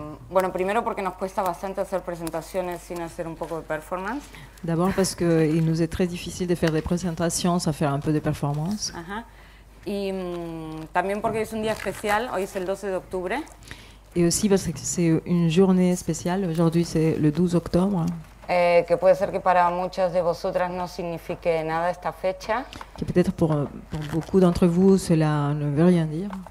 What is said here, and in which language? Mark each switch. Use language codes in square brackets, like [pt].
[es] Bueno, primero porque nos cuesta bastante hacer presentaciones sin hacer un poco de performance. [fr] D'abord parce que il nous est très difficile de faire des présentations sans faire un peu de performance. [es] Y también porque es un día especial, hoy es el 12 de octubre. [fr] Et aussi parce que c'est une journée spéciale, aujourd'hui c'est le 12 octobre. [es] Que puede ser que para muchas de vosotras no signifique nada esta fecha. [fr] Que peut-être pour beaucoup d'entre vous cela ne veut rien dire.